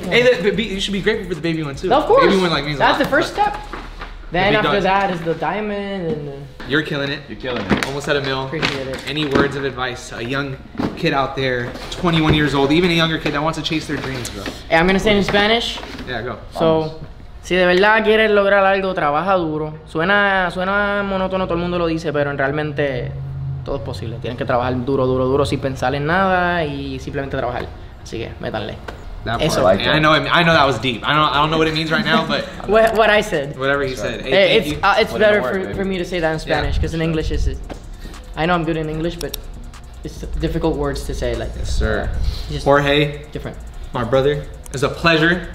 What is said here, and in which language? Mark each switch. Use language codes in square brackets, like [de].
[en] The big one. Hey, you should be grateful for the baby one, too. Of course. Baby one, like, means that's a lot, the first step. Then after that is the diamond. And the... You're killing it. You're killing it. Almost at a mil. Appreciate it. Any words of advice? A young kid out there, 21 years old, even a younger kid that wants to chase their dreams, bro. Hey, I'm going to say in Spanish. Yeah, go. [es] So, si de verdad quieres lograr algo, trabaja duro. Suena monótono, todo el mundo lo dice, pero realmente todo es posible. Tienen que trabajar duro, sin pensar en nada y simplemente trabajar. Así que, métanle. [en] That part. Like that. I know. I know that was deep. I don't know what it means right now, but what I said. Whatever you said. Hey, thank it's you. It's better work, for me to say that in Spanish because in English it's. I know I'm good in English, but it's difficult words to say. Like yes, sir. Jorge. Different. My brother. It's a pleasure.